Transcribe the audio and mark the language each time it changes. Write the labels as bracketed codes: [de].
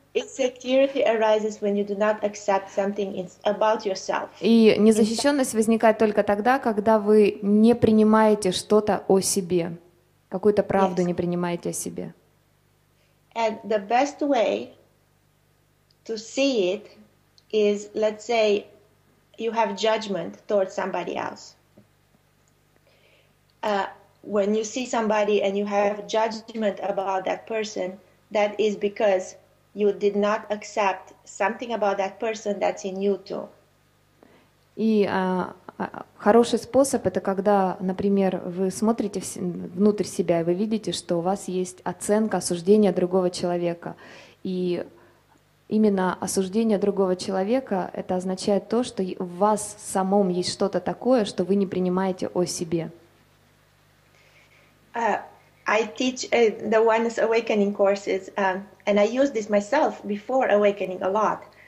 [en] Insecurity arises when you do not accept something about yourself. [ru] И незащищенность возникает только тогда, когда вы не принимаете что-то о себе, какую-то правду не принимаете о себе. [en] And the best way to see it is, let's say, you have judgment towards somebody else. When you see somebody and you have judgment about that person, that is because you did not accept something about that person that's in you too. [ru] И хороший способ — это когда, например, вы смотрите внутрь себя и вы видите, что у вас есть оценка, осуждение другого человека. И именно осуждение другого человека — это означает то, что в вас самом есть что-то такое, что вы не принимаете о себе. [en] I teach the Oneness Awakening courses, and I use this myself before awakening a lot.